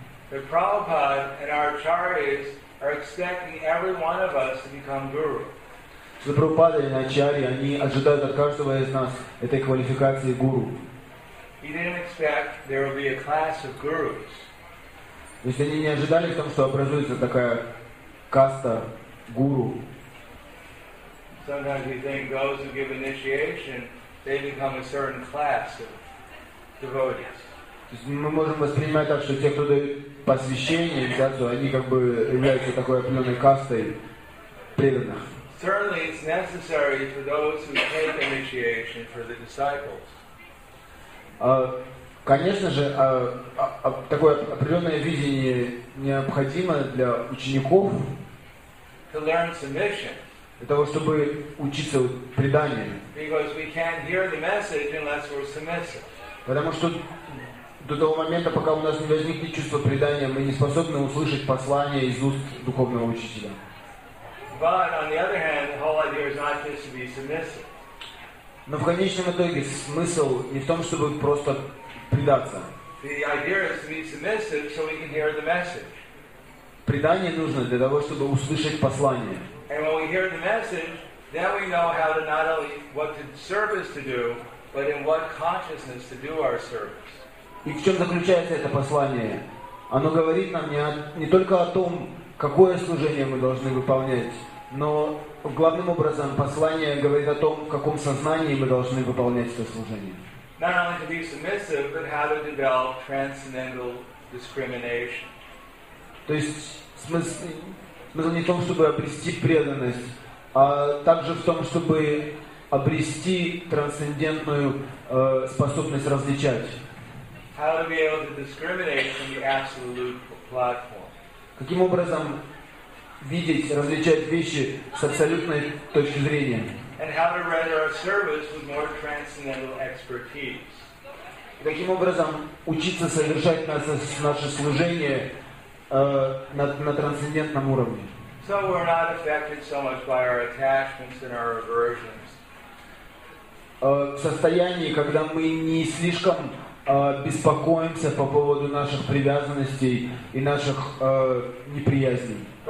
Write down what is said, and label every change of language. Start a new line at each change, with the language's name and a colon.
English: that Prabhupada and our acharyas are expecting every one of us to become guru.
Russian: Что Прабхупада и Ачарьи, они ожидают от каждого из нас этой квалификации гуру.
English: He didn't expect there will be a class of gurus.
Russian: То есть они не ожидали в том, что образуется такая каста гуру.
English: Sometimes we think those who give initiation, they become a certain class of devotees.
Russian: То есть мы можем воспринимать так, что те, кто дают посвящение, инициацию, они как бы являются такой определенной кастой преданных.
English: Certainly it's necessary for those who take initiation for the disciples.
Russian: Конечно же, такое определенное видение необходимо для учеников.
English: To learn submission.
Russian: Для того, чтобы учиться преданию.
English: Because we can't hear the message unless we're submissive.
Russian: Потому что до того момента, пока у нас не возникнет чувство предания, мы не способны услышать послание из уст духовного учителя.
English: But on the other hand, the whole idea is not just to be submissive.
Russian: Но в конечном итоге смысл не в том, чтобы просто предаться.
English: The idea is to be submissive so we can hear the message.
Russian: Предание нужно для того, чтобы услышать послание.
English: And when we hear the message, then we know how to not only what service to do, but in what consciousness to do our service.
Russian: И в чем заключается это послание? Оно говорит нам не только о том, какое служение мы должны выполнять, но главным образом послание говорит о том, в каком сознании мы должны выполнять это служение.
English: Not only to be submissive, but how to develop transcendental discrimination.
Russian: То есть смысл не в том, чтобы обрести преданность, а также в том, чтобы обрести трансцендентную способность различать.
English: How to be able to discriminate from the absolute platform?
Russian: Каким образом видеть, различать вещи с абсолютной точки зрения?
English: And how to render our service with more transcendental expertise?
Russian: Каким образом учиться совершать наше служение на трансцендентном уровне?
English: So we're not affected so much by our attachments and our aversions.
Russian: В состоянии, когда мы не слишком беспокоимся по поводу наших привязанностей и наших неприязней.